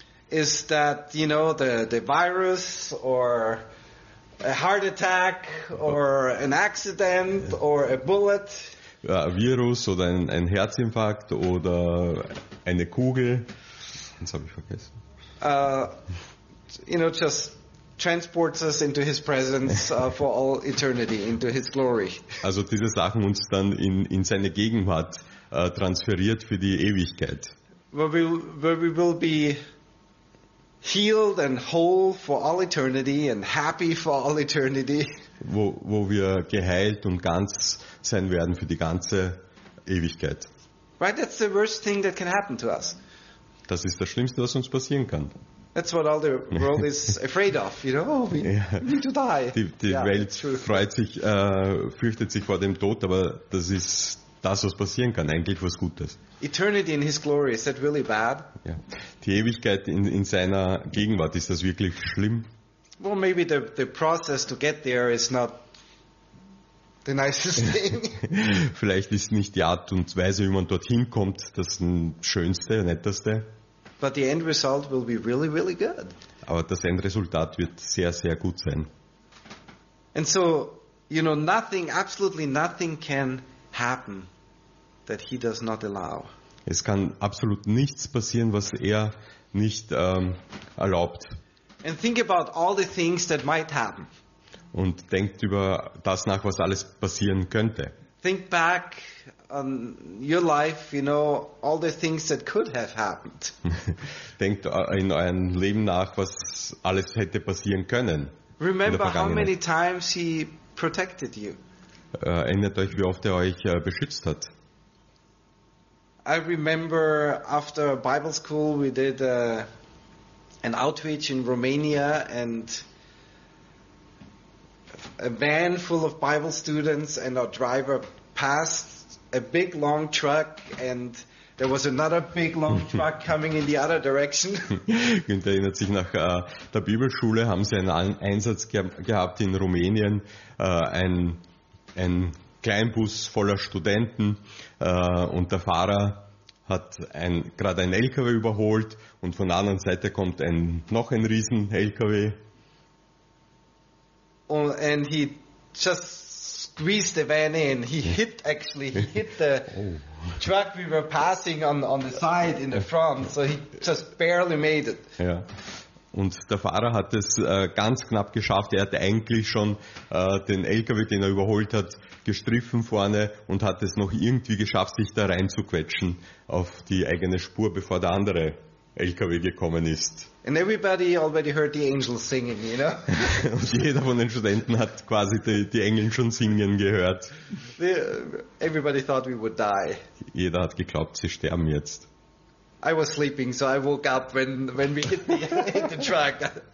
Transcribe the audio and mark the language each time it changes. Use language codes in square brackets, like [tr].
[en] is that, you know, the virus or a heart attack or an accident or a bullet. [de] Virus oder ein Herzinfarkt oder eine Kugel. Das habe ich vergessen. [en] You know, just transports us into his presence for all eternity, into his glory. [de] Also diese Sachen uns dann in seine Gegenwart transferiert für die Ewigkeit. [en] Where we will be healed and whole for all eternity and happy for all eternity. [de] Wo wir geheilt und ganz sein werden für die ganze Ewigkeit. [en] Right, that's the worst thing that can happen to us. [de] Das ist das Schlimmste, was uns passieren kann. [en] That's what all the world is afraid of, you know. Oh, we need to die. [de] Die Welt freut sich, fürchtet sich vor dem Tod, aber das ist das, was passieren kann. Eigentlich was Gutes. [en] Eternity in His glory, is that really bad? [de] Ja. Die Ewigkeit in seiner Gegenwart, ist das wirklich schlimm? [en] Well, maybe the process to get there is not the nicest thing. [de] Vielleicht ist nicht die Art und Weise, wie man dorthin kommt, das Schönste, Netteste. [en] But the end result will be really, really good. [de] Aber das Endresultat wird sehr, sehr gut sein. [en] And so, you know, nothing, absolutely nothing can happen that he does not allow. [de] Es kann absolut nichts passieren, was er nicht erlaubt. [en] And think about all the things that might happen. [de] Und denkt über das nach, was alles passieren könnte. [en] Think back on your life, you know, all the things that could have happened. [de] Denkt in eurem Leben nach, was alles hätte passieren können. [en] Remember how many times he protected you. [de] Erinnert euch, wie oft er euch beschützt hat. [en] I remember after Bible school we did an outreach in Romania and a van full of Bible students and our driver passed a big long truck and there was another big long truck coming in the other direction. [de] Günther erinnert sich, nach der Bibelschule haben sie einen Einsatz gehabt in Rumänien, ein Kleinbus voller Studenten und der Fahrer hat gerade ein LKW überholt und von der anderen Seite kommt noch ein riesen LKW. [en] And he just squeezed the van in. He hit the truck we were passing on the side in the front. So he just barely made it. [de] Ja. Und der Fahrer hat es ganz knapp geschafft. Er hat eigentlich schon den LKW, den er überholt hat, gestriffen vorne und hat es noch irgendwie geschafft, sich da reinzuquetschen auf die eigene Spur, bevor der andere LKW gekommen ist. [en] And everybody already heard the angels singing, you know? [de] Und jeder von den Studenten hat quasi die Engel schon singen gehört. [en] Everybody thought we would die. [de] Jeder hat geglaubt, sie sterben jetzt. [en] I was sleeping, so I woke up when we hit the truck.